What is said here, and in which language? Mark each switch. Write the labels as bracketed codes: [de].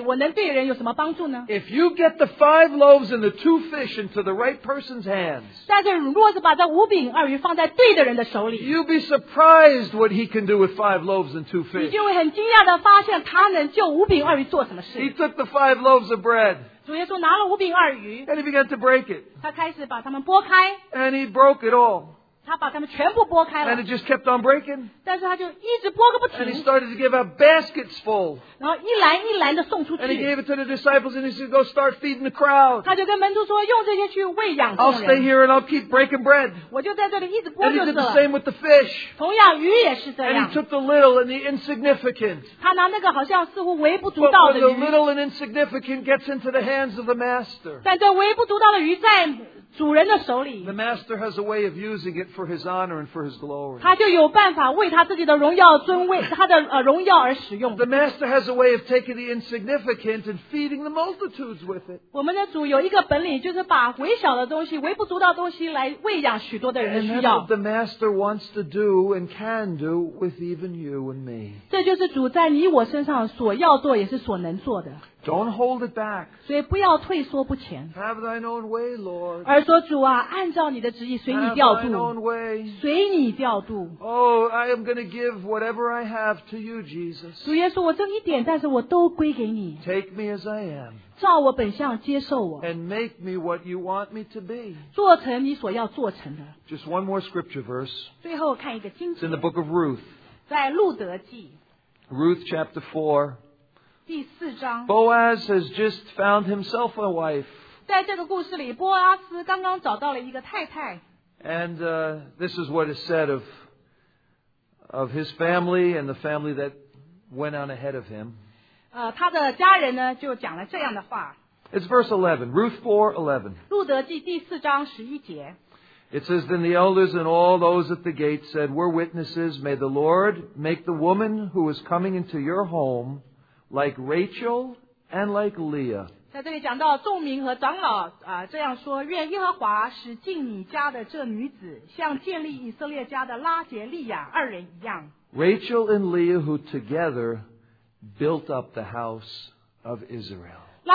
[en] if you get the 5 loaves and the 2 fish into the right person's hands, you'll be surprised what he can do with 5 loaves and 2 fish. [zh] 你就会很惊讶地发现他能就五饼二鱼做什么事。 [en] He took the 5 loaves of bread. [zh] 主耶稣拿了5饼2鱼, [en] and he began to break it. [zh] 他开始把它们剥开, [en] and he broke it all. [zh] 他把它们全部剥开了, [en] and it just kept on breaking. [zh] 但是他就一直剥个不停, [en] and he started to give out baskets full. [zh] 然后一篮一篮地送出去, [en] and he gave it to the disciples and he said, go start feeding the crowd. [zh] 他就跟门徒说,用这些去喂养众人。 [en] I'll stay here and I'll keep breaking bread. [zh] 我就在这里一直剥就是了。 [en] And he did the same with the fish. [zh] 同样鱼也是这样。 [en] And he took the little and the insignificant. [zh] 他拿那个好像似乎微不足道的鱼, [en] but when the little and insignificant gets into the hands of the master, [zh] 但这微不足道的鱼在 主人的手里, [en] the master has a way of using it for his honor and for his glory. [zh] 他就有办法为他自己的荣耀而使用。 [en] The master has a way of taking the insignificant and feeding the multitudes with it. [zh] 我们的主有一个本领, 就是把微小的东西, 微不足道的东西, 来喂养许多的人的需要。 [en] And the master wants to do and can do with even you and me. [zh] 这就是主在你我身上所要做, 也是所能做的。 [en] Don't hold it back. [zh] 所以不要退缩不前。 [en] Have thine own way, Lord. [zh] 而说主啊, 按照你的旨意, 随你调度。 [en] Have thine own way. [zh] 随你调度。 [en] Oh, I am going to give whatever I have to you, Jesus. [zh] 主耶稣, 我这一点, 但是我都归给你。 [en] Take me as I am. [zh] 照我本相, 接受我。 [en] And make me what you want me to be. [zh] 做成你所要做成的。 [en] Just one more scripture verse. [zh] 最后看一个经节。 [en] It's in the book of Ruth. [zh] 在路德记。 [en] Ruth chapter 4. [zh] 第四章, [en] Boaz has just found himself a wife. [zh] 在这个故事里, 波阿斯刚刚找到了一个太太。 [en] And this is what is said of his family and the family that went on ahead of him. [zh] 他的家人呢, 就讲了这样的话。 [en] It's verse 11, Ruth 4:11. [zh] 路德记第四章十一节。 [en] It says, Then the elders and all those at the gate said, We're witnesses, may the Lord make the woman who is coming into your home like Rachel and like Leah. [zh] 在这里讲到众民和长老这样说，愿耶和华使敬你家的这女子像建立以色列家的拉结利亚二人一样。 [en] Rachel and Leah who together built up the house of Israel.